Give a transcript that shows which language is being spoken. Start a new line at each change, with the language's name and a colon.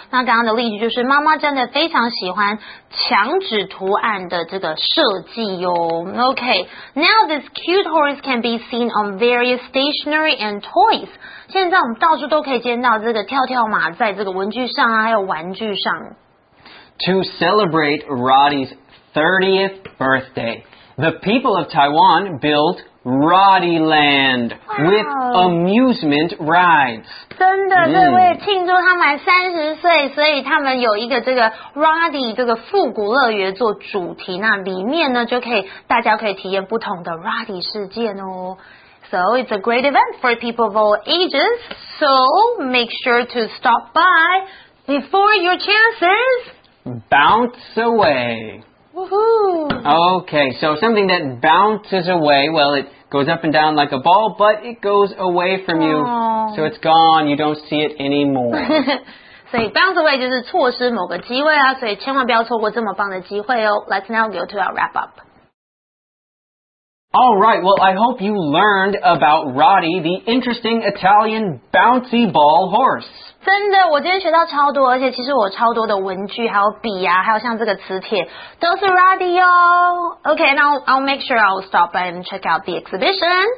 Chinese: 那刚刚的例子就是妈妈真的非常喜欢墙纸图案的这个设计哟。
English: Okay, now this cute horse can be seen on various stationery and toys.
Chinese: 现在我们到处都可以见到这个跳跳马在这个文具上啊，还有玩具上。
English: To celebrate Roddy's 30th birthday, the people of Taiwan built Roddy Land with amusement rides.
Chinese: 真的，对，为了庆祝他满30岁，所以他们有一个这个 Roddy 这个复古乐园做主题，那里面呢就可以大家可以体验不同的 Roddy 世界哦。
English: So it's a great event for people of all ages. So make sure to stop by before your chances bounce away. Woohoo! Okay, so something that bounces away, well, it goes up and down like a ball, but it goes away from you. Aww. So it's gone, you don't see it anymore.
Chinese: 所以
English: bounce away
Chinese: 就是错失某个机会啊，所以千万不要错过这么棒的机会哦。
English: Let's now go to our wrap up. All right, well, I hope you learned about Roddy, the interesting Italian bouncy ball horse.
Chinese: 真的，我今天学到超多，而且其实我超多的文具，还有笔啊，还有像这个磁铁，都是 Roddy 哦。
English: Okay, now I'll make sure I'll stop by and check out the exhibition.